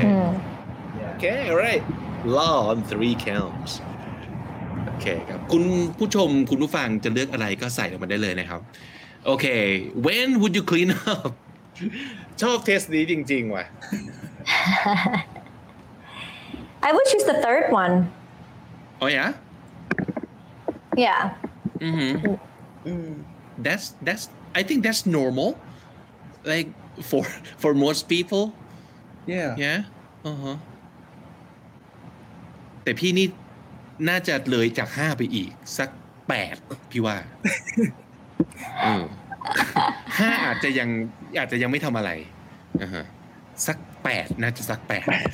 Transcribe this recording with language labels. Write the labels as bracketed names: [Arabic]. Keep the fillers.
[English] Mm. Okay alright law on three counts [Thai] โอเคครับคุณผู้ชมคุณผู้ฟังจะเลือกอะไรก็ใส่ลงมาได้เลยนะครับ โอเค [English] when would you clean up [Thai] ชอบเทสนี้จริงๆว่ะ [English] i would choose the third one [Thai] โอ้ยะ [English] yeah Mm-hmm. That's that's I think that's normal. Like for for most people. yeah Yeah. [Thai] อือฮะแต่พี่นี่น่าจะเลยจากห้าไปอีก สักแปดพี่ว่าเออห้าอาจจะยังอาจจะยังไม่ทำอะไรอ่าฮะสักแปดน่าจะสักแปด